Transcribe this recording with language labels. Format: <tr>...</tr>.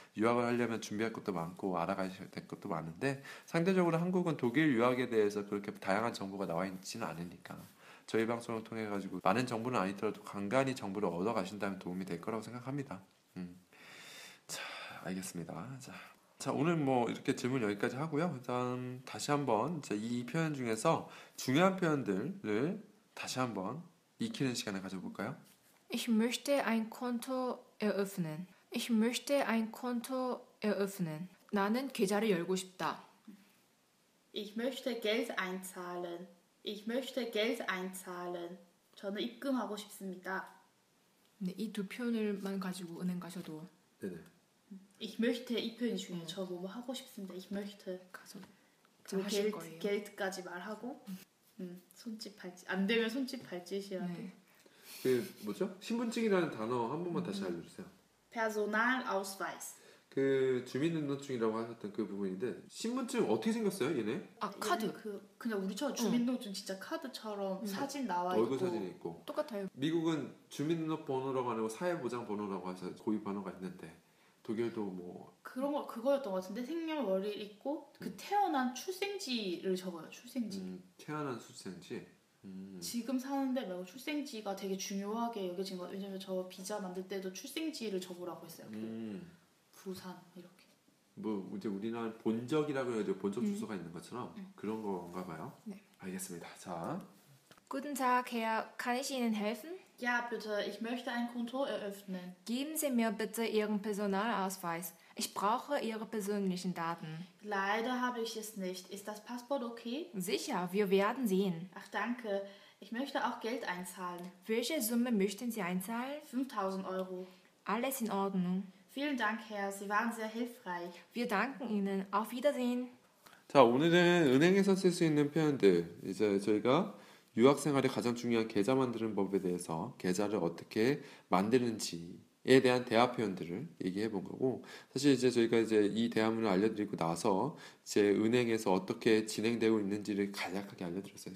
<ko>유학을 하려면 준비할 것도 많고 알아가야 될 것도 많은데 상대적으로 한국은 독일 유학에 대해서 그렇게 다양한 정보가 나와 있지는 않으니까 저희 방송을 통해 가지고 많은 정보는 아니더라도 간간히 정보를 얻어 가신다면 도움이 될 거라고 생각합니다. 자 알겠습니다. 자 오늘 뭐 이렇게 질문 여기까지 하고요. 일단 다시 한번 이 표현 중에서 중요한 표현들을 다시 한번 익히는 시간을 가져볼까요?</ko> <de>Ich möchte ein Konto eröffnen. Ich möchte ein Konto eröffnen.</de> <ko>나는 계좌를 열고 싶다.</ko> <de>Ich möchte Geld einzahlen. Ich möchte Geld einzahlen.</de> <ko>저는 입금하고 싶습니다. 네, 이 두 표현을만 가지고 은행 가셔도 네네.</ko> <de>Ich möchte</de> <ko>이 표현이 중요해요. 저 뭐 하고 싶습니다.</ko> <de>Ich möchte</de> <ko>가서 그 Geld까지 말하고 손짓 발짓 안 되면 손짓 발짓이라도 네. 그 뭐죠? 신분증이라는 단어 한 번만 다시 알려주세요.</ko> <de>Personalausweis.</de> <ko>그 주민등록증이라고 하셨던 그 부분인데 신분증 어떻게 생겼어요, 얘네? 아 카드. 그 그냥 우리처럼 주민등록증 진짜 카드처럼 사진 나와 있고. 얼굴 사진 있고. 똑같아요. 미국은 주민등록번호라고 하고 사회보장번호라고 해서 고유 번호가 있는데 독일도 뭐. 그런 거 그거였던 것 같은데 생년월일 있고 그 태어난 출생지를 적어요. 출생지. 태어난 출생지. 지금 사는데 말고 출생지가 되게 중요하게 여겨진 것 같아요. 왜냐면 저 비자 만들 때도 출생지를 적으라고 했어요. 부산 이렇게. 뭐 이제 우리나라 본적이라고 해야죠. 본적 주소가 있는 것처럼 그런 건가 봐요. 네. 알겠습니다. 자.</ko> <de>Guten Tag, Herr. Kann ich Ihnen helfen? Ja, bitte. Ich möchte ein Konto eröffnen. Geben Sie mir bitte Ihren Personalausweis. Ich brauche Ihre persönlichen Daten. Leider habe ich es nicht. Ist das Passwort okay? Sicher, wir werden sehen. Ach, danke. Ich möchte auch Geld einzahlen. Welche Summe möchten Sie einzahlen? 5000 Euro. Alles in Ordnung. Vielen Dank, Herr. Sie waren sehr hilfreich. Wir danken Ihnen. Auf Wiedersehen.</de> <ko>자, 오늘은 은행에서 쓸 수 있는 표현들. 이제 저희가 유학생활에 가장 중요한 계좌 만드는 법에 대해서 계좌를 어떻게 만드는지 에 대한 대화 표현들을 얘기해 본 거고 사실 이제 저희가 이제 이 대화문을 알려드리고 나서 이제 은행에서 어떻게 진행되고 있는지를 간략하게 알려드렸어요.</ko>